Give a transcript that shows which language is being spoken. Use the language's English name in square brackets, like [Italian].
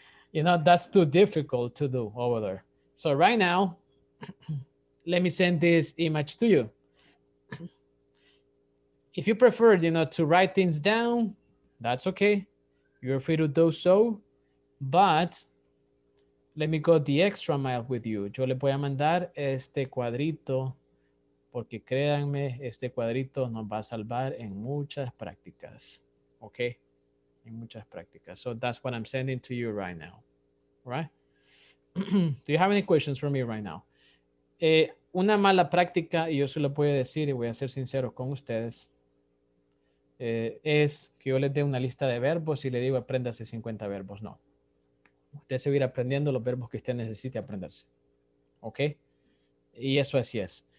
[English] You know, that's too difficult to do over there. So right now, let me send this image to you. If you prefer, you know, to write things down, that's okay. You're free to do so. But let me go the extra mile with you. [Spanish] Yo le voy a mandar este cuadrito porque créanme, este cuadrito nos va a salvar en muchas prácticas. [English] Okay? [Spanish] En muchas prácticas. [English] So that's what I'm sending to you right now. All right? Do you have any questions for me right now? [Spanish] Una mala práctica, y yo se lo puedo decir y voy a ser sincero con ustedes, es que yo les dé una lista de verbos y le digo apréndase 50 verbos. No. Usted se va a ir aprendiendo los verbos que usted necesite aprenderse. [English] ¿Ok? [Spanish] Y eso así es.